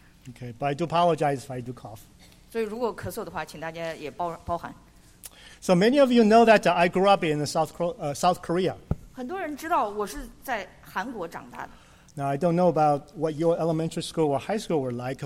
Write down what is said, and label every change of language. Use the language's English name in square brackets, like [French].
[English] Okay, but I do apologize if I do cough. [Chinese] 所以如果咳嗽的话，请大家也包含。 [English] So many of you know that I grew up in South Korea. [Chinese] 很多人知道我是在韩国长大的。 [English] Now I don't know about what your elementary school or high school were like.